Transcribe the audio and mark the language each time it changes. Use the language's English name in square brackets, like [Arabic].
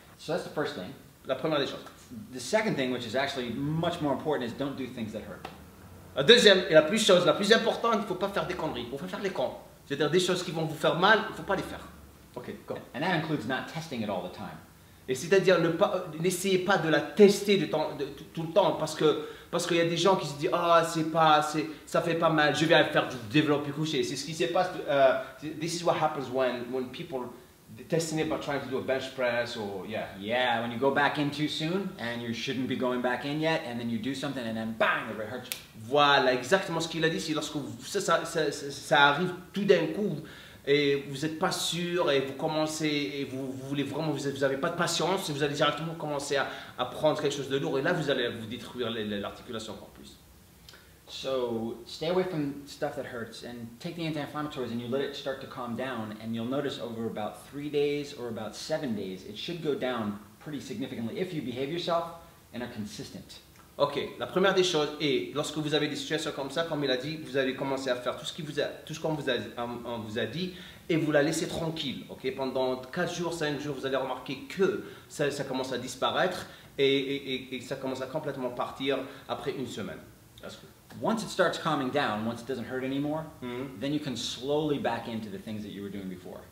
[English] So that's the first thing. [French] La première des choses. [English] The second thing, which is actually much more important, is don't do things that hurt. [French] La deuxième et la plus importante, il ne faut pas faire des conneries. Il ne faut pas faire les cons. C'est-à-dire des choses qui vont vous faire mal, il ne faut pas les faire. [English] Ok, go. And that includes not testing it all the time. [French] Et c'est-à-dire, n'essayez pas de la tester tout le temps parce qu'il y a des gens qui se disent « Ah, ça ne fait pas mal, je vais faire du développé couché. » C'est ce qui se passe. [English] This is what happens when people... Testing it by trying to do a bench press or yeah. Yeah, when you go back in too soon and you shouldn't be going back in yet and then you do something and then bang, it hurts you. [French] Voilà, exactement ce qu'il a dit, c'est lorsque ça arrive tout d'un coup et vous n'êtes pas sûr et vous commencez et vous voulez vraiment, vous n'avez pas de patience, vous allez directement commencer à prendre quelque chose de lourd et là vous allez vous détruire l'articulation encore plus. [English] So stay away from stuff that hurts and take the anti-inflammatories and you let it start to calm down, and you'll notice over about 3 days or about 7 days, it should go down pretty significantly if you behave yourself and are consistent. [French] Ok, la première des choses est, lorsque vous avez des situations comme ça, comme il a dit, vous allez commencer à faire tout ce qu'on vous a dit et vous la laissez tranquille, ok? Pendant 4 jours, 5 jours, vous allez remarquer que ça commence à disparaître et ça commence à complètement partir après une semaine. [English] That's cool. Once it starts calming down, once it doesn't hurt anymore, mm-hmm. then you can slowly back into the things that you were doing before.